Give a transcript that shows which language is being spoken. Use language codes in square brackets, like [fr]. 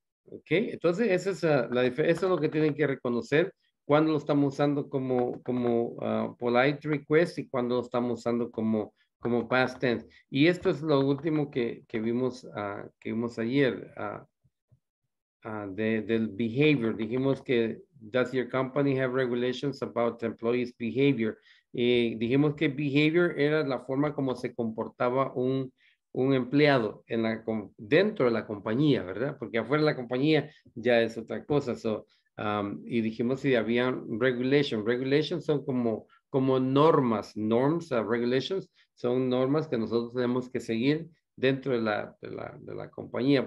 [es] Okay, entonces esa es la diferencia. Eso es lo que tienen que reconocer cuando lo estamos usando como polite request y cuando lo estamos usando como past tense. Y esto es lo último que vimos ayer del behavior. Dijimos que [en] does your company have regulations about employees' behavior? [es] Y dijimos que behavior era la forma como se comportaba un empleado dentro de la compañía, ¿verdad? Porque afuera de la compañía ya es otra cosa. Y dijimos si había regulation. Regulations son como normas. Norms, regulations, son normas que nosotros tenemos que seguir dentro de la compañía.